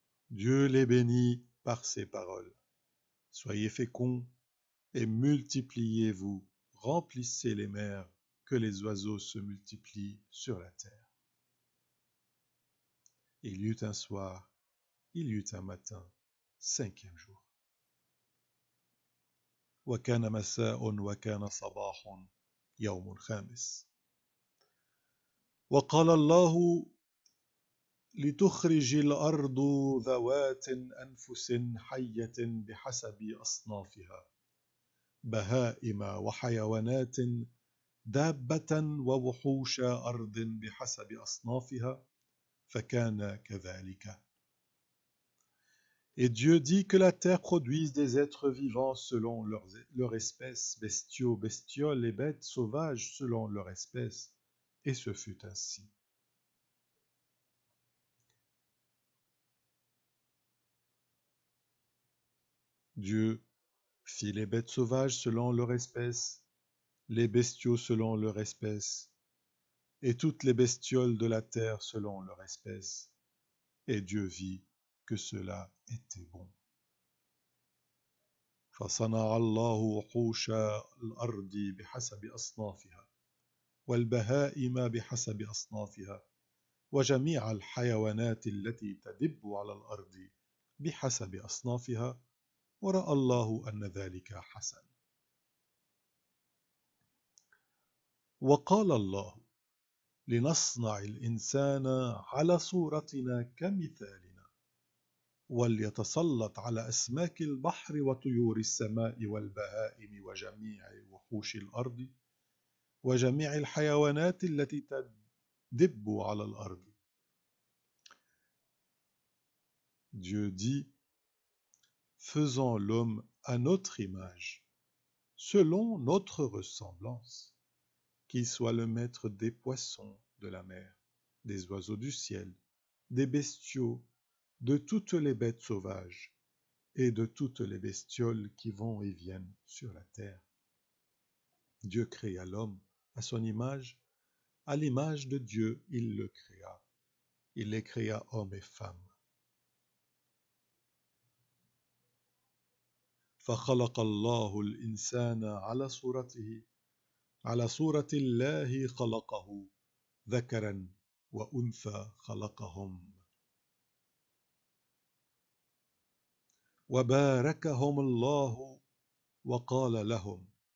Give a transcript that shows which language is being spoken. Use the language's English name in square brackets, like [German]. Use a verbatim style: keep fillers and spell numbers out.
[French] Dieu les bénit par ces paroles. Soyez féconds et multipliez-vous, remplissez les mers, que les oiseaux se multiplient sur la terre. Il y eut un soir, il y eut un matin, cinquième jour. [Arabic] وكان مساء وكان صباح يوم خامس. وقال الله لتخرج الأرض ذوات أنفس حية بحسب أصنافها بهائم وحيوانات دابة ووحوش أرض بحسب أصنافها فكان كذلك. [French] Et Dieu dit que la terre produise des êtres vivants selon leur, leur espèce, bestiaux, bestioles et bêtes sauvages selon leur espèce, et ce fut ainsi. Dieu fit les bêtes sauvages selon leur espèce, les bestiaux selon leur espèce, et toutes les bestioles de la terre selon leur espèce, et Dieu vit que cela était bon. [Arabic] فصنع الله وحوش الأرض بحسب أصنافها والبهائم بحسب أصنافها وجميع الحيوانات التي تدب على الأرض بحسب أصنافها ورأى الله أن ذلك حسن. وقال الله لنصنع الإنسان على صورتنا كمثالنا وليتسلط على أسماك البحر وطيور السماء والبهائم وجميع وحوش الأرض وجميع الحيوانات التي تدب على الأرض. [French] Dieu dit, faisons l'homme à notre image, selon notre ressemblance, qu'il soit le maître des poissons de la mer, des oiseaux du ciel, des bestiaux, de toutes les bêtes sauvages et de toutes les bestioles qui vont et viennent sur la terre. Dieu créa l'homme à son image, à l'image de Dieu il le créa. Il les créa hommes et femmes. [Arabic] فخلق الله الإنسان على صورته على صورة الله خلقه ذكرا وأنثى خلقهم وباركهم الله وقال لهم